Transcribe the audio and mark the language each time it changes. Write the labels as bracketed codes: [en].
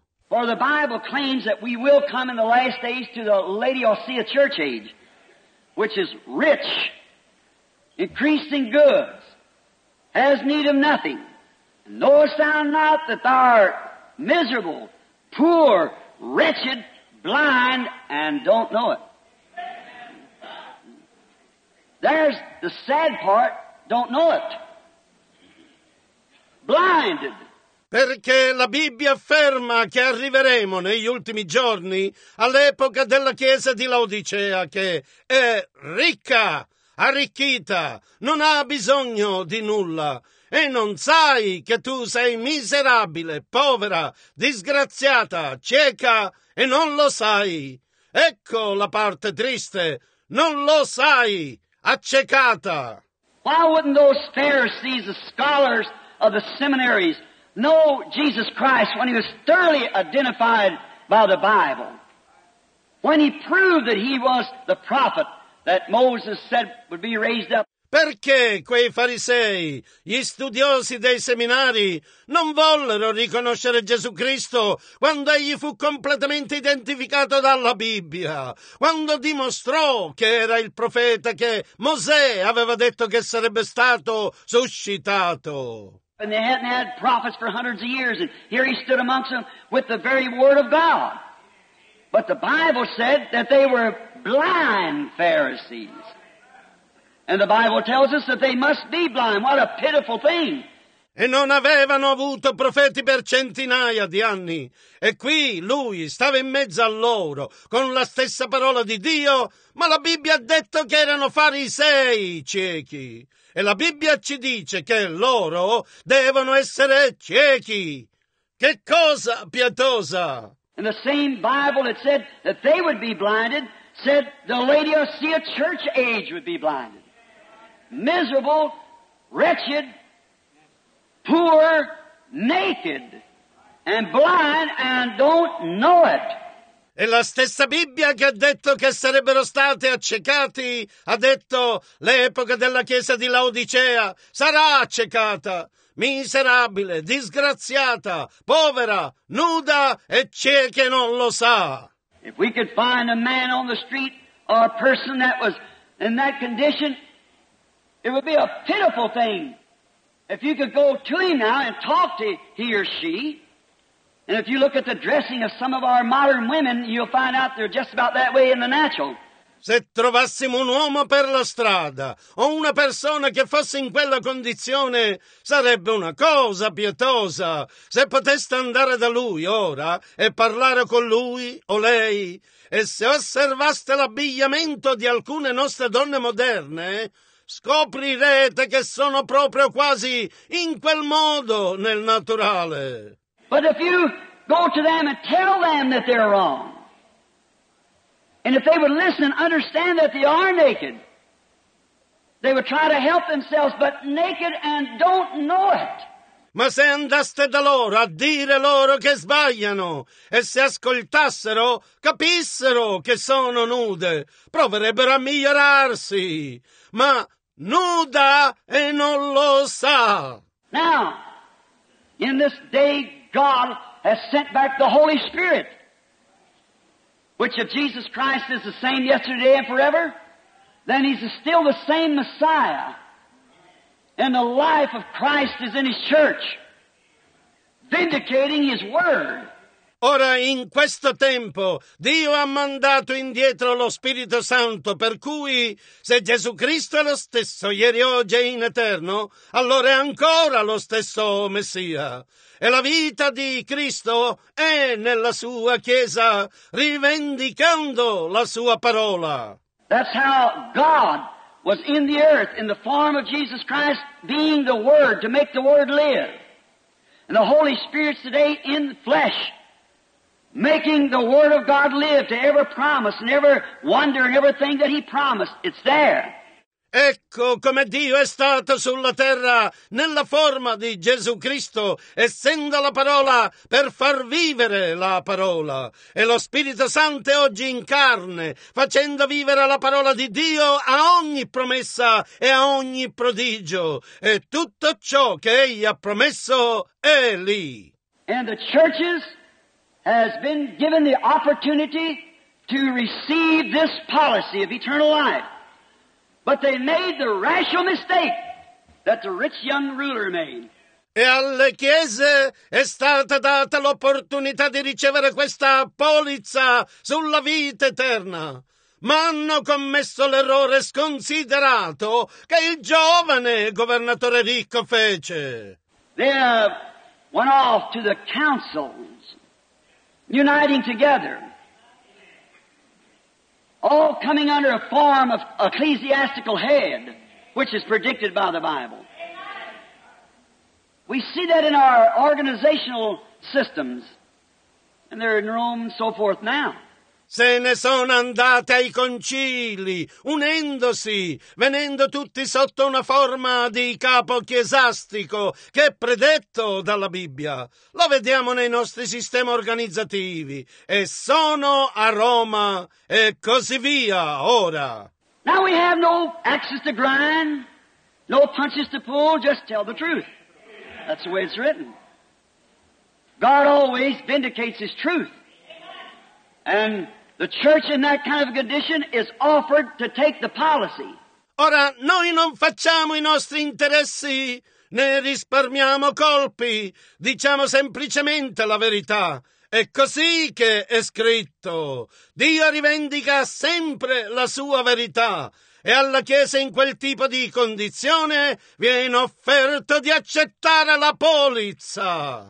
[en] For the Bible claims that we will come in the last days to the Laodicea church age, which is rich, increased in goods, has need of nothing. Knowest thou not that thou art miserable, poor, wretched, blind, and don't know it? There's the sad part, don't know it. Blinded. [it] Perché la Bibbia afferma che arriveremo negli ultimi giorni all'epoca della chiesa di Laodicea, che è ricca, arricchita, non ha bisogno di nulla. E non sai che tu sei miserabile, povera, disgraziata, cieca e non lo sai. Ecco la parte triste, non lo sai, accecata. [en] Why wouldn't those Pharisees, the scholars of the seminaries, know Jesus Christ when he was thoroughly identified by the Bible, when he proved that he was the prophet that Moses said would be raised up? [it] Perché quei farisei, gli studiosi dei seminari, non vollero riconoscere Gesù Cristo quando egli fu completamente identificato dalla Bibbia, quando dimostrò che era il profeta che Mosè aveva detto che sarebbe stato suscitato? [en] And they hadn't had prophets for hundreds of years, and here he stood amongst them with the very word of God. But the Bible said that they were blind Pharisees. And the Bible tells us that they must be blind. What a pitiful thing. [it] E non avevano avuto profeti per centinaia di anni. E qui lui stava in mezzo a loro con la stessa parola di Dio, ma la Bibbia ha detto che erano farisei ciechi. E la Bibbia ci dice che loro devono essere ciechi. Che cosa pietosa! [en] And the same Bible that said that they would be blinded said the Laodicea church age would be blinded. Miserable, wretched, poor, naked, and blind, and don't know it. [it] E la stessa Bibbia che ha detto che sarebbero state accecati, ha detto l'epoca della chiesa di Laodicea sarà accecata, miserabile, disgraziata, povera, nuda e cieca non lo sa. [en] If we could find a man on the street or a person that was in that condition, it would be a pitiful thing. If you could go to him now and talk to he or she, and if you look at the dressing of some of our modern women, you'll find out they're just about that way in the natural. [it] Se trovassimo un uomo per la strada o una persona che fosse in quella condizione, sarebbe una cosa pietosa. Se poteste andare da lui ora e parlare con lui o lei, e se osservaste l'abbigliamento di alcune nostre donne moderne, scoprirete che sono proprio quasi in quel modo nel naturale. [en] But if you go to them and tell them that they're wrong, and if they would listen and understand that they are naked, they would try to help themselves, but naked and don't know it. [it] Ma se andaste da loro a dire loro che sbagliano, e se ascoltassero, capissero che sono nude, proverebbero a migliorarsi, ma nuda e non lo sa. [en] Now, in this day, God has sent back the Holy Spirit, which if Jesus Christ is the same yesterday and forever, then he's still the same Messiah. And the life of Christ is in his church, vindicating his word. [it] Ora, in questo tempo, Dio ha mandato indietro lo Spirito Santo, per cui se Gesù Cristo è lo stesso ieri, oggi e in eterno, allora è ancora lo stesso Messia. E la vita di Cristo è nella sua Chiesa, rivendicando la sua parola. [en] That's how God was in the earth, in the form of Jesus Christ, being the Word, to make the Word live. And the Holy Spirit today in flesh, making the Word of God live to every promise and every wonder and everything that He promised. It's there. [it] Ecco come Dio è stato sulla terra nella forma di Gesù Cristo, essendo la parola, per far vivere la parola. E lo Spirito Santo è oggi in carne, facendo vivere la parola di Dio a ogni promessa e a ogni prodigio. E tutto ciò che Egli ha promesso è lì. [en] And the churches has been given the opportunity to receive this policy of eternal life. But they made the rational mistake that the rich young ruler made. [it] E alle chiese è stata data l'opportunità di ricevere questa polizza sulla vita eterna. Ma hanno commesso l'errore sconsiderato che il giovane governatore ricco fece. [en] They went off to the councils, uniting together, all coming under a form of ecclesiastical head, which is predicted by the Bible. We see that in our organizational systems, and they're in Rome and so forth now. [it] Se ne sono andate ai concili, unendosi, venendo tutti sotto una forma di capo chiesastico che è predetto dalla Bibbia. Lo vediamo nei nostri sistemi organizzativi. E sono a Roma e così via ora. [en] Now we have no axes to grind, no punches to pull, just tell the truth. That's the way it's written. God always vindicates his truth. And the church in that kind of condition is offered to take the policy. [it] Ora, noi non facciamo i nostri interessi, né risparmiamo colpi, diciamo semplicemente la verità. È così che è scritto. Dio rivendica sempre la sua verità, e alla Chiesa in quel tipo di condizione viene offerto di accettare la polizza.